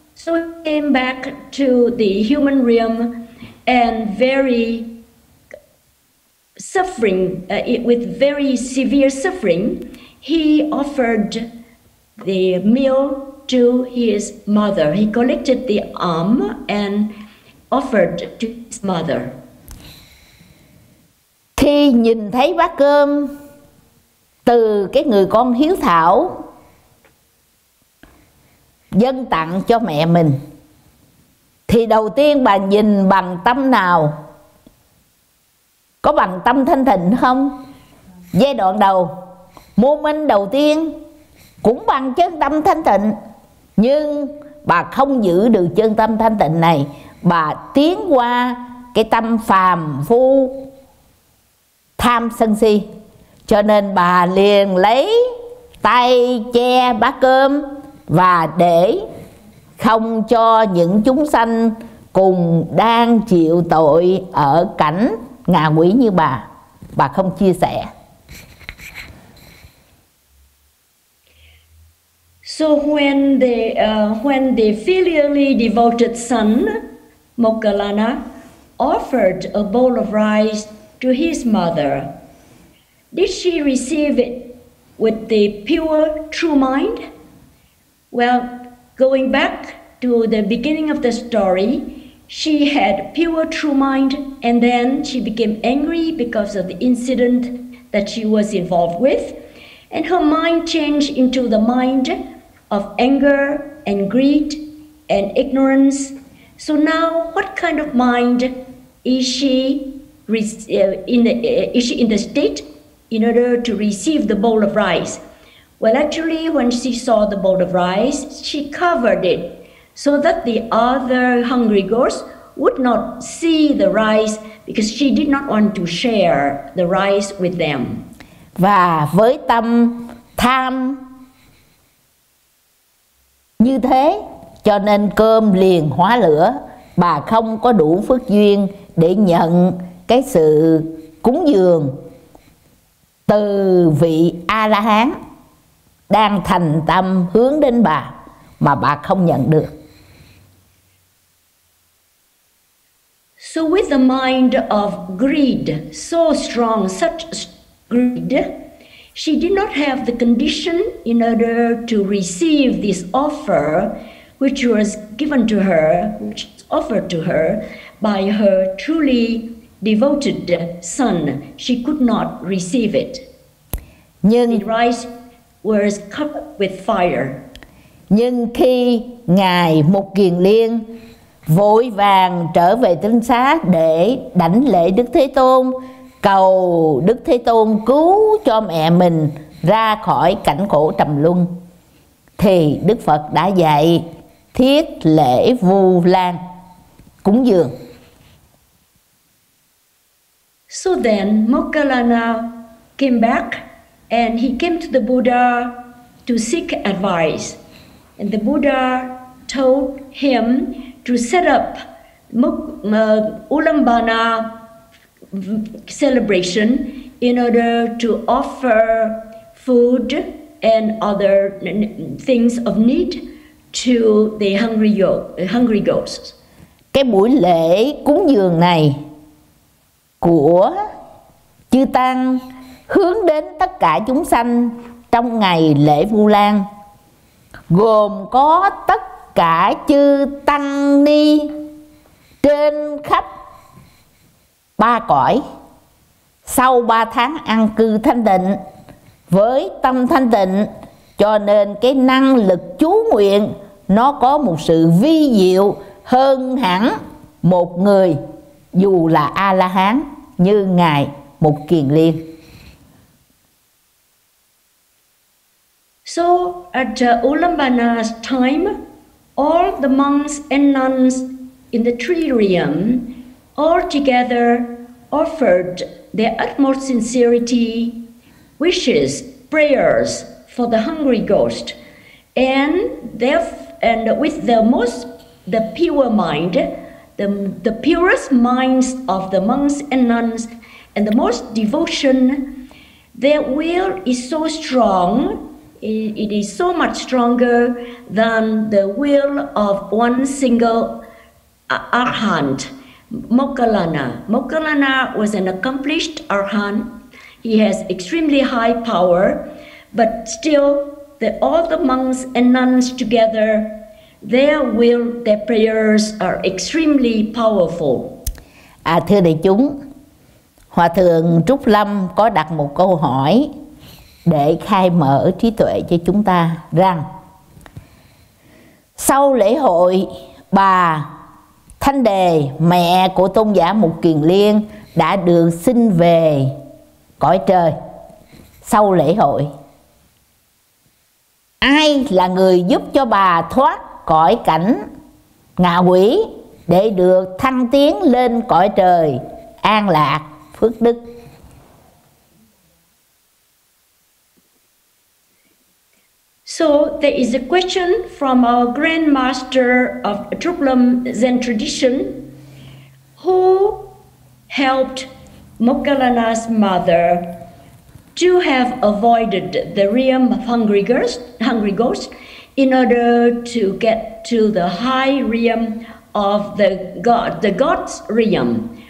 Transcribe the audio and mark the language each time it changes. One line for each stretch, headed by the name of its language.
English: So he came back to the human realm and very suffering, with very severe suffering, he offered the meal to his mother. He collected the arm and offered to his mother.
Vietnamese: Khi nhìn thấy bát cơm từ cái người con hiếu thảo dâng tặng cho mẹ mình, thì đầu tiên bà nhìn bằng tâm nào? Có bằng tâm thanh thịnh không? Giai đoạn đầu, moment đầu tiên cũng bằng chân tâm thanh thịnh, nhưng bà không giữ được chân tâm thanh thịnh này, bà tiến qua cái tâm phàm phu tham sân si, cho nên bà liền lấy tay che bát cơm và để không cho những chúng sanh cùng đang chịu tội ở cảnh ngạ quỷ như bà, bà không chia sẻ.
English: So when the filially devoted son Moggallana offered a bowl of rice to his mother, did she receive it with the pure true mind? Well, going back to the beginning of the story, she had pure true mind, and then she became angry because of the incident that she was involved with, and her mind changed into the mind of anger and greed and ignorance. So now, what kind of mind is she in the state in order to receive the bowl of rice? Well, actually, when she saw the bowl of rice, she covered it so that the other hungry girls would not see the rice, because she did not want to share the rice with them.
Vietnamese: Và với tâm tham như thế, cho nên cơm liền hóa lửa. Bà không có đủ phước duyên để nhận cái sự cúng dường từ vị A-la-hán đang thành tâm hướng đến bà, mà bà không nhận được.
English: So with the mind of greed, so strong, such greed, she did not have the condition in order to receive this offer which was given to her, which was offered to her by her truly devoted son. She could not receive it.
Vietnamese: Nhưng
English: the rice was covered with fire.
Vietnamese: Nhưng khi Ngài Mục Kiền Liên vội vàng trở về tinh xá để đảnh lễ Đức Thế Tôn, cầu Đức Thế Tôn cứu cho mẹ mình ra khỏi cảnh khổ trầm luân, thì Đức Phật đã dạy thiết lễ Vu Lan, cúng dường.
English: So then Moggallana came back and he came to the Buddha to seek advice. And the Buddha told him to set up Ulambana celebration in order to offer food and other things of need to the hungry goats.
Vietnamese: Cái buổi lễ cúng dường này của Chư Tăng hướng đến tất cả chúng sanh trong ngày lễ Vu Lan, gồm có tất cả Chư Tăng Ni trên khắp ba cõi. Sau ba tháng ăn cư thanh tịnh, với tâm thanh tịnh, cho nên cái năng lực chú nguyện nó có một sự vi diệu hơn hẳn một người dù là A-la-hán như Ngài Mục Kiền Liên.
English: So at Ulambana's time, all the monks and nuns in the tririum all together offered their utmost sincerity, wishes, prayers for the hungry ghost, and with the pure mind, the purest minds of the monks and nuns, and the most devotion, their will is so strong, it is so much stronger than the will of one single arhant, Moggallana. Moggallana was an accomplished arhant. He has extremely high power, but still all the monks and nuns together, their will, their prayers are extremely powerful.
Vietnamese: À thưa đại chúng, Hòa thượng Trúc Lâm có đặt một câu hỏi để khai mở trí tuệ cho chúng ta rằng sau lễ hội, bà Thanh Đề, mẹ của tôn giả Mục Kiền Liên đã được sinh về cõi trời sau lễ hội. Ai là người giúp cho bà thoát cõi cảnh ngạ quỷ để được thăng tiến lên cõi trời an lạc phước đức?
English: So there is a question from our Grand Master of Trúc Lâm Zen tradition. Who helped Moggallana's mother to have avoided the realm of hungry ghosts in order to get to the high realm of the God's realm?